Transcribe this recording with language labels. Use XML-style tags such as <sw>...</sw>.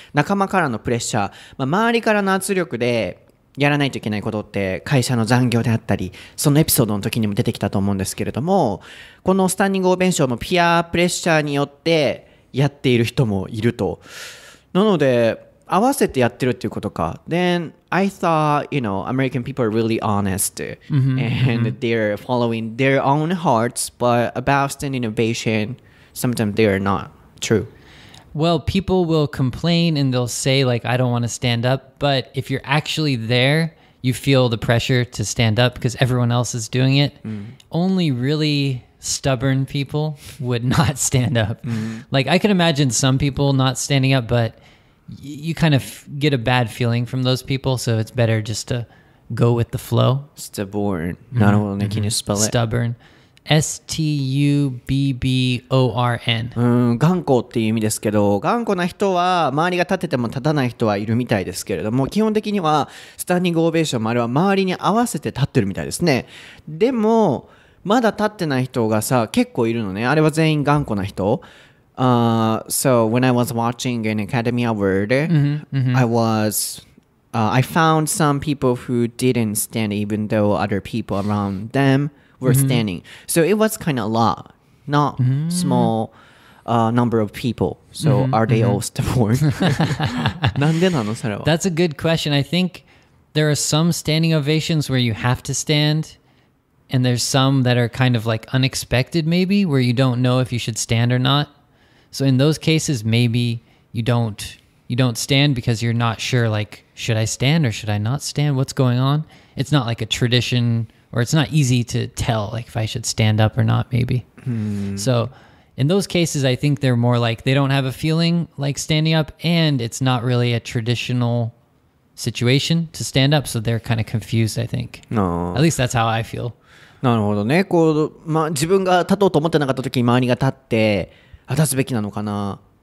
<ja>仲間からのプレッシャー。まあ、周りからの圧力でやらないといけないことって、会社の残業であったり、そのエピソードの時にも出てきたと思うんですけれども、このスタンディングオーベーションも peer pressure によってやっている人もいると。なので、合わせてやってるっていうことか。</ja> <en>Then I thought, you know, American people are really honest and they're following their own hearts, but about standing innovation, sometimes they are not true. Well, people will complain and they'll say like, I don't want to stand up. But if you're actually there, you feel the pressure to stand up because everyone else is doing it. Mm-hmm. Only really stubborn people would not stand up. Mm-hmm. Like I can imagine some people not standing up, butYou kind of get a bad feeling from those people, so it's better just to go with the flow. Stubborn. Not only can you spell it. Stubborn. S-T-U-B-B-O-R-N.</en> <ja>頑固っていう意味ですけど、頑固な人は周りが立てても立たない人はいるみたいですけれども、基本的にはスタンディングオベーションもあれは周りに合わせて立ってるみたいですね。でも、まだ立ってない人がさ、結構いるのね。あれは全員頑固な人。</ja> <en>So when I was watching an Academy Award, I found some people who didn't stand even though other people around them were standing. So it was kind of a lot, not small number of people. So mm-hmm, are they all stubborn?</en> <ja>なんでなのそれは?</ja> <en>That's a good question. I think there are some standing ovations where you have to stand, and there's some that are kind of like unexpected maybe, where you don't know if you should stand or not. So in those cases, maybe you don't stand because you're not sure, like, should I stand or should I not stand? What's going on? It's not like a tradition, or it's not easy to tell, like, if I should stand up or not, maybe. Hmm. So in those cases, I think they're more like they don't have a feeling like standing up, and it's not really a traditional situation to stand up, so they're kind of confused, I think. No. At least that's how I feel.</en> <ja>なるほどね。こう、まあ、自分が立とうと思ってなかった時に周りが立って、あ、立つべきなのかな。</ja>